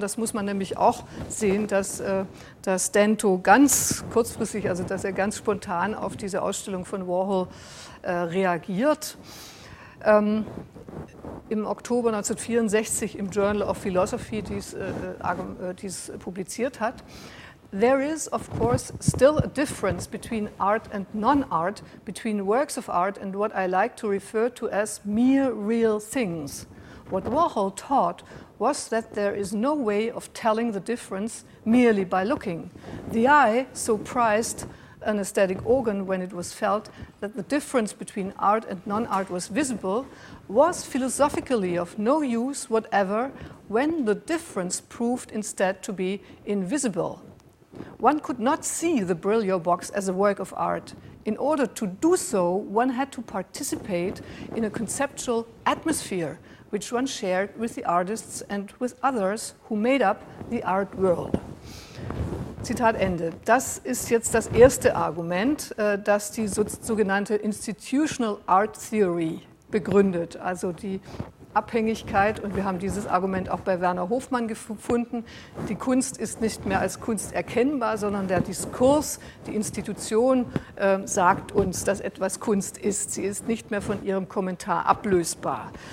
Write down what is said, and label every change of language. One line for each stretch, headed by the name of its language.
German: Das muss man nämlich auch sehen, dass Dento ganz kurzfristig, also dass er ganz spontan auf diese Ausstellung von Warhol reagiert. Im Oktober 1964 im Journal of Philosophy dies publiziert hat.
English: There is, of course, still a difference between art and non-art, between works of art and what I like to refer to as mere real things. What Warhol taught was that there is no way of telling the difference merely by looking. The eye so prized an aesthetic organ when it was felt that the difference between art and non-art was visible, was philosophically of no use whatever when the difference proved instead to be invisible. One could not see the Brillo box as a work of art. In order to do so, one had to participate in a conceptual atmosphere which one shared with the artists and with others who made up the art world.
German: Zitat Ende. Das ist jetzt das erste Argument, das die sogenannte Institutional Art Theory begründet, also die Abhängigkeit, und wir haben dieses Argument auch bei Werner Hofmann gefunden, die Kunst ist nicht mehr als Kunst erkennbar, sondern der Diskurs, die Institution sagt uns, dass etwas Kunst ist, sie ist nicht mehr von ihrem Kommentar ablösbar.